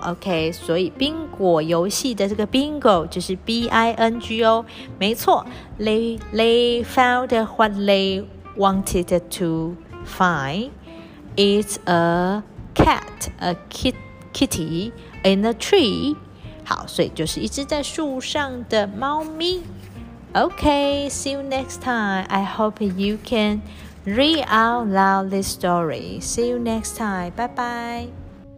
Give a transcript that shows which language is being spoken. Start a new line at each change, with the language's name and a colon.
Chinese: OK, 所以宾果游戏的这个 bingo 就是 B-I-N-G-O, 没错，
English: they found what they wanted to find. It's a cat, a kitty in a tree.
Chinese: 好，所以就是一只在树上的猫咪。
English: OK, see you next time. I hope you can...Read out loud this story. See you next time. Bye bye.